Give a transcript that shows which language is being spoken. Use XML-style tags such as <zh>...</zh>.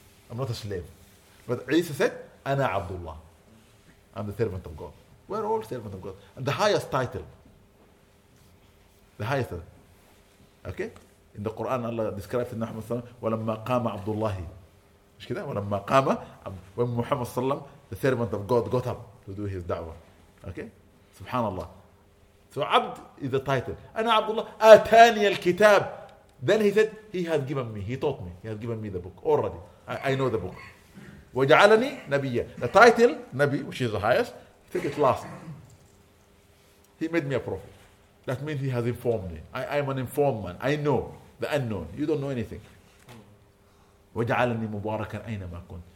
<en>I'm not a slave. But Isa said, Ana Abdullah. I'm the servant of God. We're all servant of God. And the highest title. The highest. Okay? In the Quran, Allah describes in Muhammad Sallam,</en> <ar>وَلَمَّا قَامَ عَبْدُ اللَّهِ.</ar> <en>Is that?</en> <ar>وَلَمَّا قَامَ عَبْدُ.</ar> <en>When Muhammad Sallam, the servant of God, got up to do his da'wah. Okay? Subhanallah. So abd is the title.</en> <ar>أنا عبد الله آتاني الكتاب.</ar> <en>Then he said, he has given me, he taught me, he has given me the book already. I know the book.</en> <ar>وَجَعَلَنِي نَبِيًّا.</ar> <en>The title, Nabi, which is the highest, take it last. He made me a prophet. That means he has informed me. I'm an informed man. I know the unknown. You don't know anything.</en> <ar>وَجَعَلَنِي مُبَارَكًا أَيْنَمَا كُنْتُ.</ar>